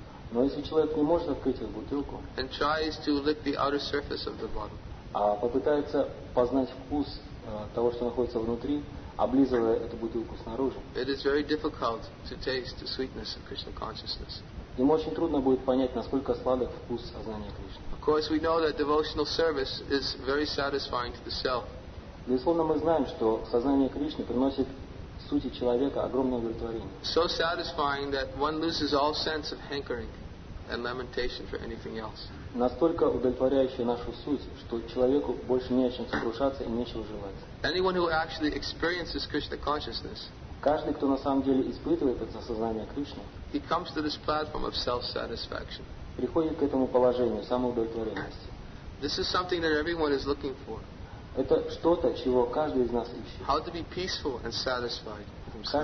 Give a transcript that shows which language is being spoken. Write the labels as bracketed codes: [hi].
[ru] Но если человек не может открыть эту бутылку. [en] And tries to lick the outer surface of the bottle. [ru] А попытается познать вкус того, что находится внутри, облизывая эту бутылку снаружи. [en] It is very difficult to taste the sweetness of Krishna consciousness. [ru] Ему очень трудно будет понять, насколько сладок вкус сознания Кришны. [en] Of course, we know that devotional service is very satisfying to the self. [ru] Безусловно, мы знаем, что сознание Кришны приносит сути человека огромное удовлетворение. [en] So satisfying that one loses all sense of hankering and lamentation for anything else. [ru] Настолько удовлетворяющая нашу суть, что человеку больше не о чем сокрушаться и нечего желать. [en] Anyone who actually experiences Krishna consciousness. [ru] Каждый, кто на самом деле испытывает это сознание Кришны, [en] he comes to this platform of self-satisfaction. [ru] Приходит к этому положению самоудовлетворенности. [en] This is something that everyone is looking for. [ru] Это что-то, чего каждый из нас ищет. [en] How to be peaceful and satisfied with himself.